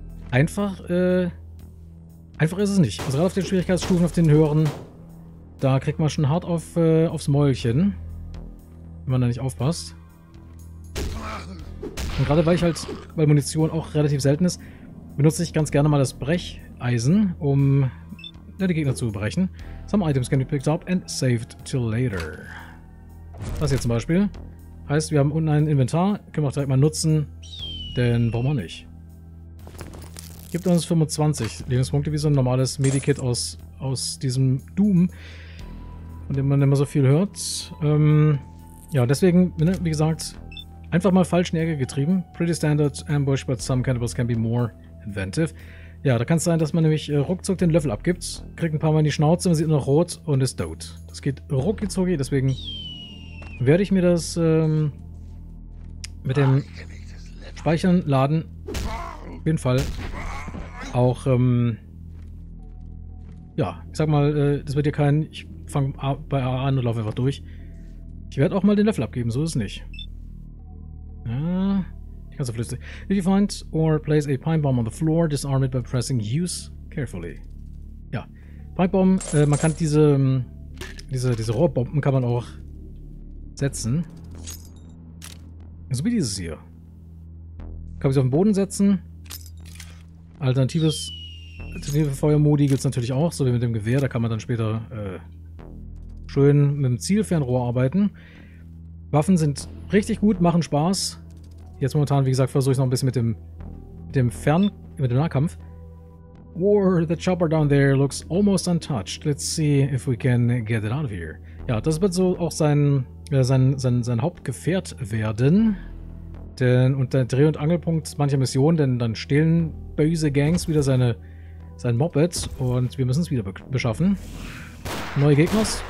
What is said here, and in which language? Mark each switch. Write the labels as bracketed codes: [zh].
[de] Einfach ist es nicht. Also gerade auf den Schwierigkeitsstufen, auf den höheren, Da kriegt man schon hart aufs Mäulchen. Wenn man da nicht aufpasst. Und gerade weil ich halt, weil Munition auch relativ selten ist, benutze ich ganz gerne mal das Brecheisen, um die Gegner zu brechen. [en] Some items can be picked up and saved till later. [de] Das hier zum Beispiel. Heißt, wir haben unten ein Inventar, können wir auch direkt mal nutzen, denn warum auch nicht. Gibt uns 25 Lebenspunkte, wie so ein normales Medikit aus diesem Doom, von dem man immer so viel hört. Ja, deswegen, wie gesagt, einfach mal falsch in die Ecke getrieben. [en] Pretty standard ambush, but some cannibals can be more inventive. [de] Ja, da kann es sein, dass man nämlich ruckzuck den Löffel abgibt, kriegt ein paar Mal in die Schnauze, man sieht nur noch rot und ist dood. Das geht ruckizucki, deswegen werde ich mir das mit dem Speichern laden. Auf jeden Fall auch, ja, ich sag mal, das wird hier kein, ich fange bei A an und laufe einfach durch. Ich werde auch mal den Löffel abgeben, so ist es nicht. Ja, die ganze Flüste. [en] If you find or place a pine bomb on the floor, disarm it by pressing use carefully. [de] Ja, pine bomb, man kann diese Rohrbomben kann man auch setzen. So wie dieses hier. Kann ich sie auf den Boden setzen. Alternative Feuermodi gibt es natürlich auch, so wie mit dem Gewehr, da kann man dann später schön mit dem Zielfernrohr arbeiten. Waffen sind richtig gut, machen Spaß. Jetzt momentan, wie gesagt, versuche ich noch ein bisschen mit dem Nahkampf. [en] War, the chopper down there looks almost untouched. Let's see if we can get it out of here. [de] Ja, das wird so auch sein Hauptgefährt werden. Denn unter Dreh- und Angelpunkt mancher Missionen, denn dann stehlen böse Gangs wieder sein Moped und wir müssen es wieder beschaffen. Neue Gegner.